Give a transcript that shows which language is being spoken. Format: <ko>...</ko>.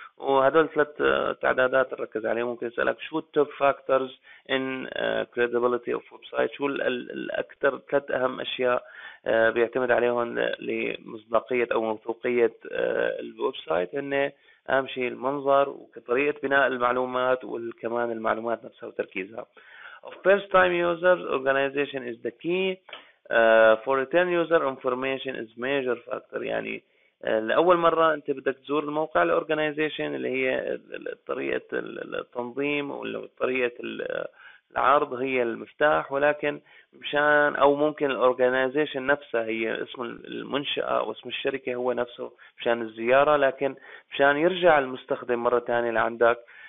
<ar>وهدول 3 تعدادات نركز عليهم. ممكن اسألك شو</ar> <en>التوب factors in credibility of website,</en> <ar>شو الاكثر 3 اهم اشياء بيعتمد عليهم لمصداقية او موثوقية الويب سايت؟ هن اهم شيء المنظر وطريقة بناء المعلومات وكمان المعلومات نفسها وتركيزها.</ar> <en>Of first time user, organization is the key. For return user, information is major factor.</en> <ar>يعني لأول مرة أنت بدك تزور الموقع الـ organization اللي هي طريقة التنظيم وطريقة العرض هي المفتاح، ولكن مشان أو ممكن الـ organization نفسها هي اسم المنشأة واسم الشركة هو نفسه مشان الزيارة، لكن مشان يرجع المستخدم مرة تانية لعندك،</ar>